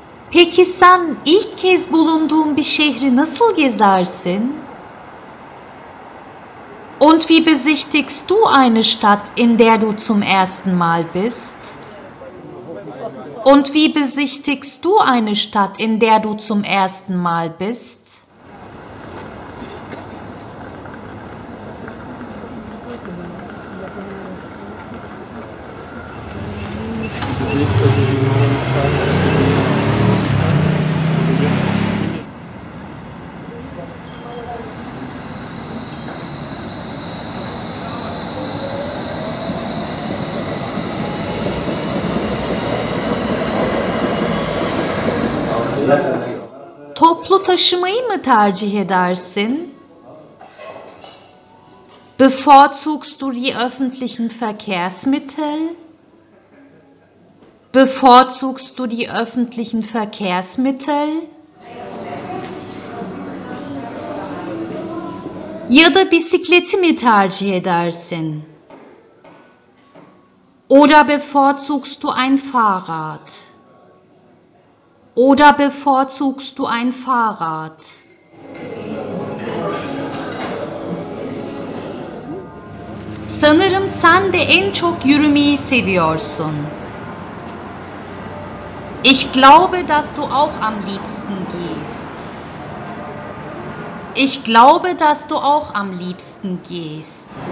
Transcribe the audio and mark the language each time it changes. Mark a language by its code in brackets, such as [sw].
[tr] Peki sen ilk kez bulunduğun bir şehri nasıl gezersin? [de] Und wie besichtigst du eine Stadt, in der du zum ersten Mal bist? Und wie besichtigst du eine Stadt, in der du zum ersten Mal bist? [tr] Toplu taşımayı mı tercih edersin? [de] Bevorzugst du die öffentlichen Verkehrsmittel? Bevorzugst du die öffentlichen Verkehrsmittel? [tr] Ya da bisikleti mi tercih edersin? [de] Oder bevorzugst du ein Fahrrad? Oder bevorzugst du ein Fahrrad? [tr] Sanırım sen de en çok yürümeyi seviyorsun. [de] Ich glaube, dass du auch am liebsten gehst. Ich glaube, dass du auch am liebsten gehst.